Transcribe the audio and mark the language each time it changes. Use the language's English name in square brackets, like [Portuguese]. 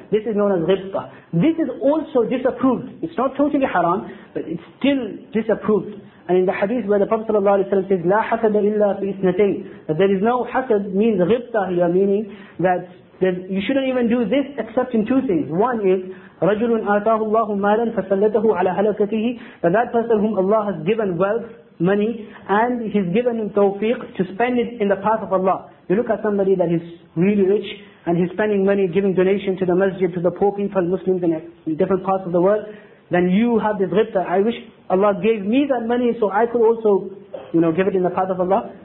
[English] This is known as ghibta. This is also disapproved. It's not totally haram, but it's still disapproved. And in the hadith where the Prophet sallallahu alaihi wasallam says, [Arabic] لا حسد إلا في إثنتين, [English] that there is no hasad, means ghibta here, meaning that you shouldn't even do this except in two things. One is, [Arabic] رَجُلٌ آتَاهُ اللَّهُ مَالًا فَسَلَّتَهُ عَلَى هَلَكَتِهِ. [English] That person whom Allah has given wealth, money, and He's given him tawfiq to spend it in the path of Allah. You look at somebody that is really rich, and he's spending money, giving donation to the masjid, to the poor people, Muslims in different parts of the world, then you have this ghibta, I wish Allah gave me that money so I could also, you know, give it in the path of Allah.